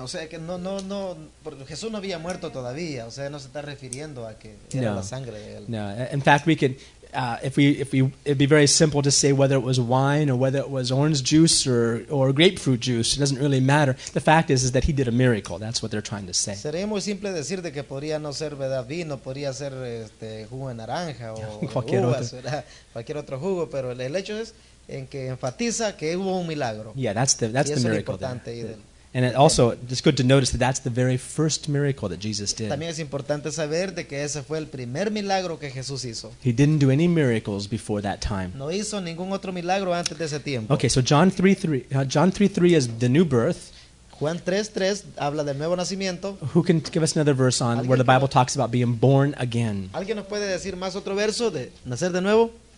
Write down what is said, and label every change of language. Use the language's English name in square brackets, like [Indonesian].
[English] in fact, we could, if we, it'd be very simple to say whether it was wine or whether it was orange juice or grapefruit juice. It doesn't really matter. The fact is that he did a miracle. That's what they're trying to say. [Spanish] Sería muy simple decir de que podría no ser vino, podría ser jugo de naranja o cualquier otro jugo, pero el hecho es en que enfatiza que hubo un milagro. [English] Yeah, that's the miracle. And it also, it's good to notice that that's the very first miracle that Jesus did. [Spanish] También es importante saber de que ese fue el primer milagro que Jesús hizo. [English] He didn't do any miracles before that time. [Spanish] No hizo ningún otro milagro antes de ese tiempo. [English] Okay, so John 3:3 is the new birth. [Spanish] Juan 3:3 habla del nuevo nacimiento. [English] Who can give us another verse on where the Bible talks about being born again? [Spanish] ¿Alguien nos puede decir más otro verso de nacer de nuevo?